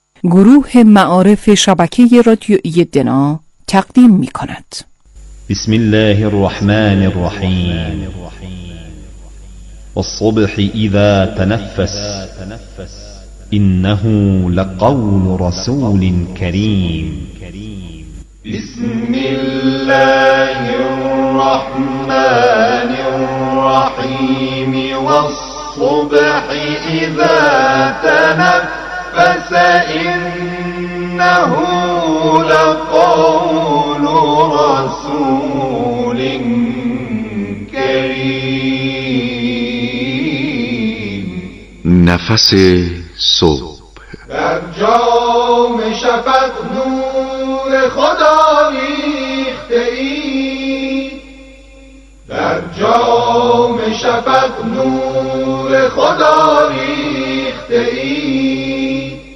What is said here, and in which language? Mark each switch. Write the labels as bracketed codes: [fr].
[fa] گروه معارف شبکه رادیویی دنا تقدیم می کند. [ar] بسم الله الرحمن الرحيم. والصبح إذا تنفس إنه لقول رسول كريم. بسم الله الرحمن الرحيم. والصبح إذا تنفس إنه لقول رسول كريم. [fa] نفس صبح در جام شفق نور خدا ریخته ای، در جام شفق نور خدا ریخته ای،